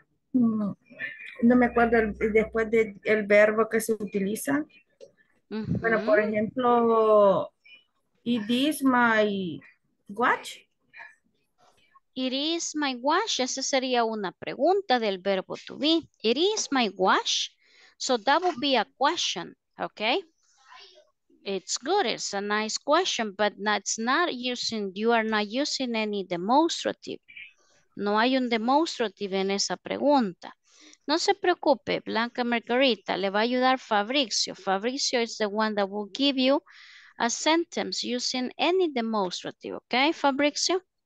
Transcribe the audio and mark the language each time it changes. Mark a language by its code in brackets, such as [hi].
[es] No me acuerdo después del verbo que se utiliza. [en] Uh-huh. [es] Bueno, por ejemplo, [en] it is my watch. It is my watch. [es] Esa sería una pregunta del verbo to be. [en] It is my watch. So that would be a question, okay? It's good, it's a nice question, but that's not using, you are not using any demonstrative. [es] No hay un demonstrative en esa pregunta. No se preocupe, Blanca Margarita, le va a ayudar Fabricio. [en] Fabricio is the one that will give you a sentence using any demonstrative. Okay, Fabricio?